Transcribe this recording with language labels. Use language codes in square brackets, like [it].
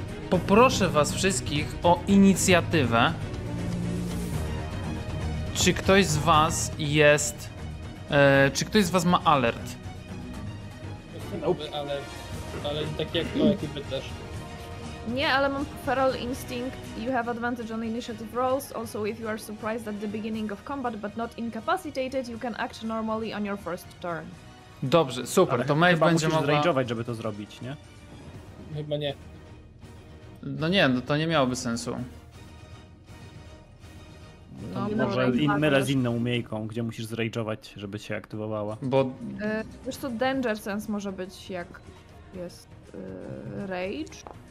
[pl] Poproszę was wszystkich o inicjatywę. Czy ktoś z was jest... czy ktoś z was ma alert? [en] Nope. [pl] Ale tak jak to, jaki by też. Nie, ale mam Feral Instinct. [en] You have advantage on initiative rolls. Also, if you are surprised at the beginning of combat, but not incapacitated, you can act normally on your first turn. [pl] Dobrze, super. Ale to Maeve będzie mogła... Chyba musisz rage'ować, żeby to zrobić, nie? Chyba nie. No nie, no to nie miałoby sensu. No, może mylę z inną umiejką, gdzie musisz zrage'ować, żeby się aktywowała. Bo wiesz co, danger sense może być jak jest rage.